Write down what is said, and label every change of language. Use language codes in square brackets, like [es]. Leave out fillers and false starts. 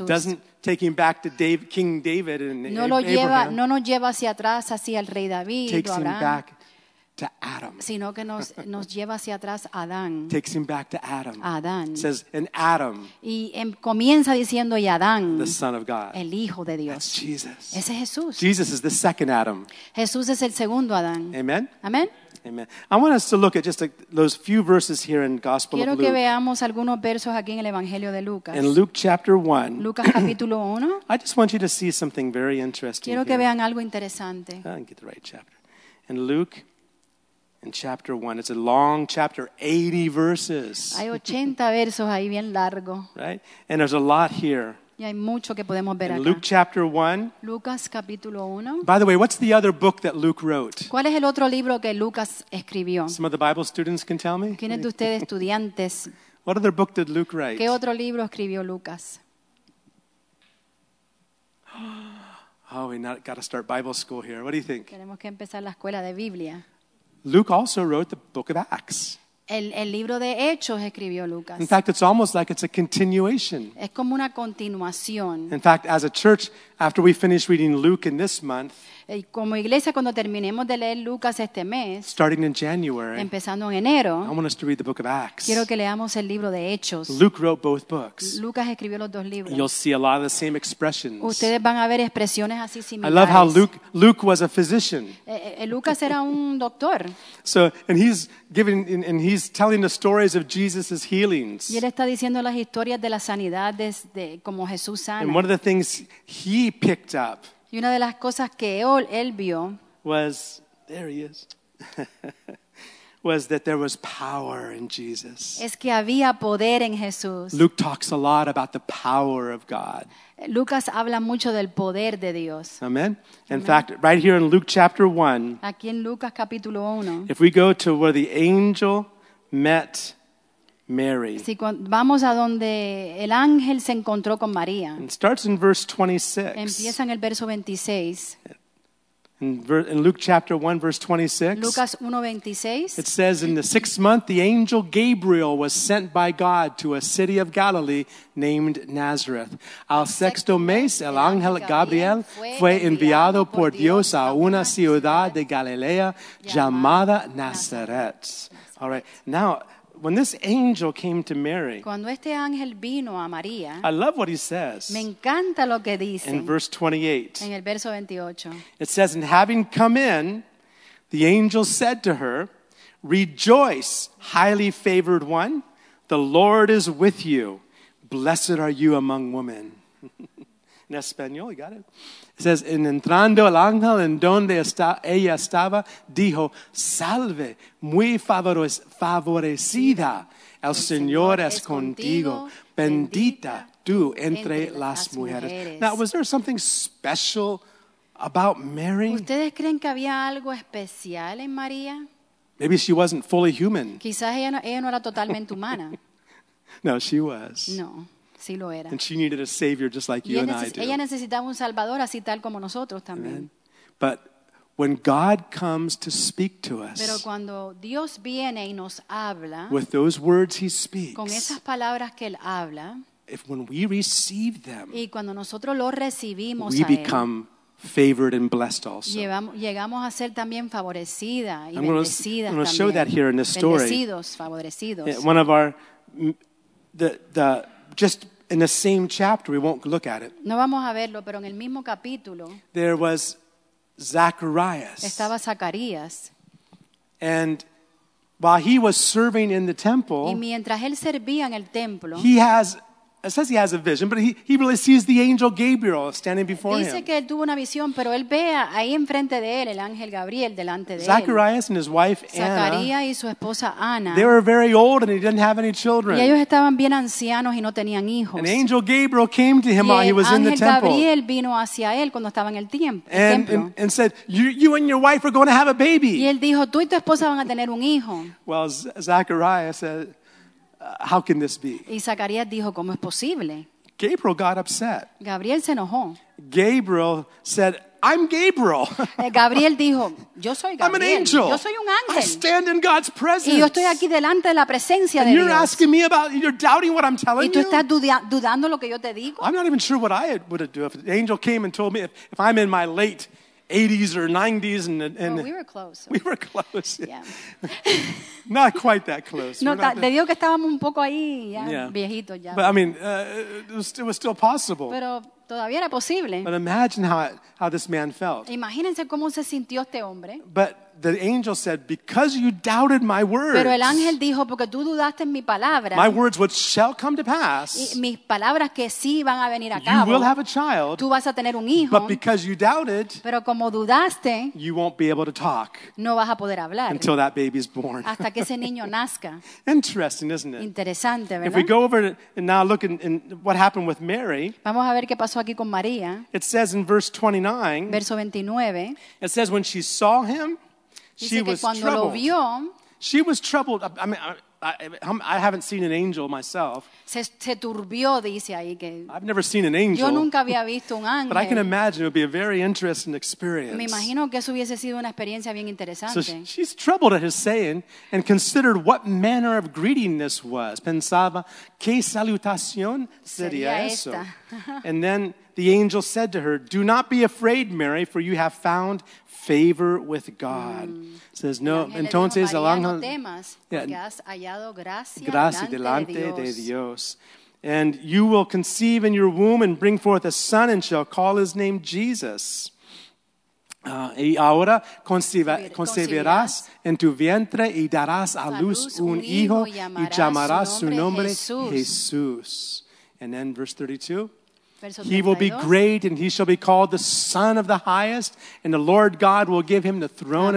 [en] It doesn't take him back to King David and [es] no lo lleva, Abraham. No nos lleva hacia atrás, hacia el rey David o Abraham. [en] Takes him back to Adam. [es] Sino que nos lleva hacia atrás a Adán. [en] Takes him back to Adam. [es] Adán. [en] Says in Adam. [es] Y comienza diciendo y Adán. [en] The son of God. [es] El hijo de Dios. [en] That's Jesus. [es] Ese es Jesús. [en] Jesus is the second Adam. [es] Jesús es el segundo Adán. Amen. Amen. [en] Amen. I want us to look at just those few verses here in Gospel [es] quiero [en] of Luke. [es] Quiero que veamos algunos versos aquí en el Evangelio de Lucas. [en] In Luke chapter 1. [es] Lucas capítulo 1. [en] I just want you to see something very interesting. [es] Quiero que [en] here. [es] Vean algo interesante. [en] I didn't get the right chapter. In Luke in chapter 1, it's a long chapter, 80 verses. [es] Hay 80 versos ahí bien largo. [en] Right? And there's a lot here. [es] Y hay mucho que podemos ver [en] in [es] acá. [en] Luke chapter 1. [es] Lucas capítulo 1. [en] By the way, what's the other book that Luke wrote? [es] ¿Cuál es el otro libro que Lucas escribió? [en] Some of the Bible students can tell me. [es] ¿Quiénes de ustedes estudiantes? [en] What other book did Luke write? [es] ¿Qué otro libro escribió Lucas? [en] Oh, we got to start Bible school here. What do you think? [es] Tenemos que empezar la escuela de Biblia. [en] Luke also wrote the book of Acts. [es] El libro de Hechos escribió Lucas. [en] In fact, it's almost like it's a continuation. [es] Es como una continuación. [en] In fact, as a church, after we finish reading Luke in this month, [es] como iglesia, cuando terminemos de leer Lucas este mes, [en] starting in January, [es] empezando en enero, [en] I want us to read the book of Acts. [es] Quiero que leamos el libro de Hechos. [en] Luke wrote both books. [es] Lucas escribió los dos libros. [en] You'll see a lot of the same expressions. [es] Ustedes van a ver expresiones así similares. [en] I love how Luke was a physician. [es] Lucas era un doctor. [en] So, and he's giving and he's telling the stories of Jesus' healings. [es] Y él está diciendo las historias de las sanidades de como Jesús sana. [en] And one of the things he picked up. [es] Y una de las cosas que él vio [en] was, there he is, was that there was power in Jesus. [es] Es que había poder en Jesús. [en] Luke talks a lot about the power of God. [es] Lucas habla mucho del poder de Dios. [en] Amen. Amen. In fact, right here in Luke chapter 1, [es] aquí en Lucas capítulo 1, [en] if we go to where the angel met Mary. [es] Si vamos a donde el ángel se encontró con María. [en] It starts in verse 26. [es] Empieza en el verso 26. [en] In Luke chapter 1, verse 26. [es] Lucas 1, 26. [en] It says, in the sixth month, the angel Gabriel was sent by God to a city of Galilee named Nazareth. [es] Al sexto mes, el ángel Gabriel fue enviado por Dios a una ciudad de Galilea llamada Nazaret. [en] All right. Now, when this angel came to Mary, [es] cuando este ángel vino a María, [en] I love what he says. [es] Me encanta lo que dice. [en] In verse 28. [es] En el verso 28. [en] It says, and having come in, the angel said to her, rejoice, highly favored one, the Lord is with you. Blessed are you among women. [es] En español, [en] you got it? It says, [es] en entrando el ángel en donde ella estaba, dijo, salve, muy favorecida, el Señor es contigo, bendita tú entre las mujeres. [en] Now, was there something special about Mary? [es] ¿Ustedes creen que había algo especial en María? [en] Maybe she wasn't fully human. [es] Quizás ella no era totalmente humana. [en] No, she was. [es] No, sí lo era. [en] And she needed a savior just like you and I do. [es] Ella necesitaba un salvador así tal como nosotros también. [en] But when God comes to speak to us, [es] pero cuando Dios viene y nos habla, [en] with those words he speaks, [es] con esas palabras que él habla, [en] if when we receive them, [es] y cuando nosotros lo recibimos, [en] we become favored and blessed also. [es] Llegamos a ser también favorecida y bendecidas. [en] I'm going to show that here in this story. [es] Bendecidos, favorecidos. [en] One of our, the just in the same chapter, we won't look at it. [es] No vamos a verlo, pero en el mismo capítulo, [en] there was Zacharias. [es] Estaba Zacarías. [en] And while he was serving in the temple, [es] y mientras él servía en el templo, [en] he has, it says he has a vision, but he really sees the angel Gabriel standing before [es] dice [en] him. [es] Dice que él tuvo una visión, pero él ve ahí enfrente de él el ángel Gabriel delante de él. [en] Zacharias and his wife Anna. [es] Zacarías y su esposa Ana. [en] They were very old and he didn't have any children. [es] Y ellos estaban bien ancianos y no tenían hijos. [en] And angel Gabriel came to him [es] y [en] while he was in the temple. [es] Y el ángel Gabriel vino hacia él cuando estaba en el templo. [en] And said, "You and your wife are going to have a baby." [es] Y él dijo, "Tú y tu esposa van a tener un hijo." [en] Well, Zacharias said, how can this be? [es] Y Zacarías dijo, ¿cómo es posible? [en] Gabriel got upset. [es] Gabriel se enojó. [en] Gabriel said, I'm Gabriel. [es] Gabriel dijo, yo soy Gabriel. [en] I'm an angel. [es] Yo soy un ángel. [en] I stand in God's presence. [es] Y yo estoy aquí delante de la presencia [en] and [es] de [en] you're [es] Dios. [en] Asking me about, you're doubting what I'm telling you? [es] Y tú estás [en] you? [es] Dudando lo que yo te digo? [en] I'm not even sure what I would do if the angel came and told me if I'm in my late 80s or 90s and well, we were close. So. We were close. Yeah. Not quite that close. [es] No, te digo que estábamos un poco ahí ya, viejitos ya. [en] But I mean, it was still possible. [es] Pero todavía era posible. [en] But imagine how this man felt. [es] Imagínense cómo se sintió este hombre. [en] But the angel said, because you doubted my words, [es] pero el ángel dijo, porque tú dudaste en mi palabra, [en] my words which shall come to pass, [es] y mis palabras que sí van a venir a cabo, [en] you will have a child, [es] tú vas a tener un hijo, [en] but because you doubted, [es] pero como dudaste, [en] you won't be able to talk, [es] no vas a poder hablar, [en] until that baby is born. [es] Hasta que ese niño nazca. [en] Interesting, isn't it? [es] Interesante, ¿verdad? [en] If we go over and now look in what happened with Mary, [es] vamos a ver qué pasó aquí con María. [en] It says in verse 29, [es] verso 29, [en] it says when she saw him, she [es] dice que [en] was [es] cuando [en] troubled. [es] Lo vio, [en] she was troubled. I mean, I haven't seen an angel myself. [es] Se turbió, dice ahí que, [en] I've never seen an angel. [es] Yo nunca había visto un ángel. [en] But I can imagine it would be a very interesting experience. [es] Me imagino que eso hubiese sido una experiencia bien interesante. [en] So she's troubled at his saying and considered what manner of greeting this was. [es] Pensaba, ¿qué salutación sería eso? [en] And then the angel said to her, do not be afraid, Mary, for you have found favor with God. Mm. Says no. [es] Entonces María, el ángel, no temas, yeah, porque has hallado gracia, gracia delante de Dios. De Dios. [en] And you will conceive in your womb and bring forth a son and shall call his name Jesus. [es] Y ahora concebirás en tu vientre y darás a luz un hijo y llamarás su nombre Jesús. [en] And then verse 32. He will be great and he shall be called the Son of the Highest and the Lord God will give him the throne